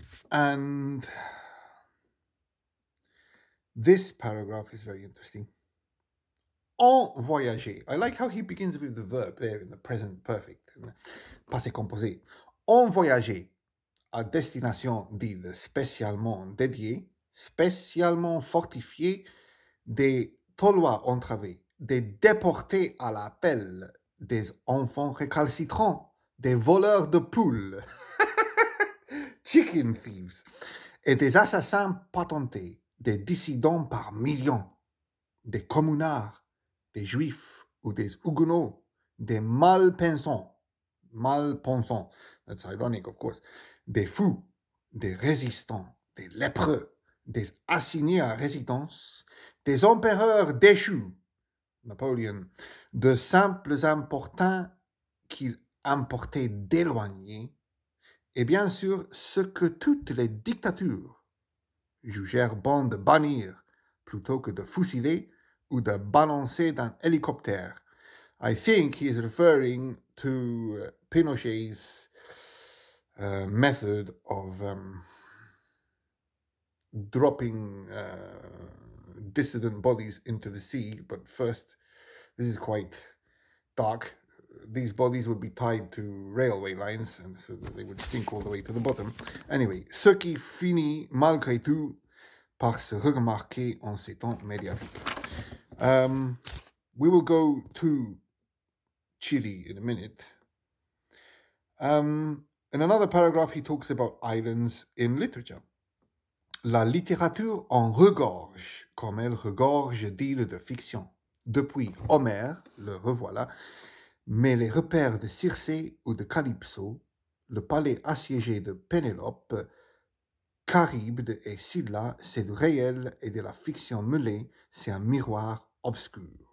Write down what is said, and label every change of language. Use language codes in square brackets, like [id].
[en] And this paragraph is very interesting. [fr] En voyager. [en] I like how he begins with the verb there in the present perfect, in the passé composé. [fr] En voyager. À destination d'îles spécialement dédiées, spécialement fortifiées, des tolois entravés, des déportés à l'appel, des enfants récalcitrants, des voleurs de poules, [en] chicken thieves, [fr] et des assassins patentés, des dissidents par millions, des communards, des juifs ou des huguenots, des mal-pensants, mal-pensants, [en] that's ironic of course, [fr] des fous, des résistants, des lépreux, des assignés à résidence, des empereurs déchus, Napoléon, de simples importuns qu'il importait d'éloigner, et bien sûr ce que toutes les dictatures jugèrent bon de bannir plutôt que de fusiller ou de balancer d'un hélicoptère. [en] I think he is referring to Pinochet's method of dropping dissident bodies into the sea. But first, this is quite dark. These bodies would be tied to railway lines, and so they would sink all the way to the bottom. Anyway, [fr] ce qui finit malgré tout par se remarquer en ces temps médiatiques. [en] We will go to Chile in a minute. In another paragraph, he talks about islands in literature. [fr] La littérature en regorge, comme elle regorge d'îles de fiction. Depuis Homère, le revoilà, mais les repères de Circé ou de Calypso, le palais assiégé de Pénélope, Charybde et Scylla, c'est du réel et de la fiction mêlée, c'est un miroir obscur.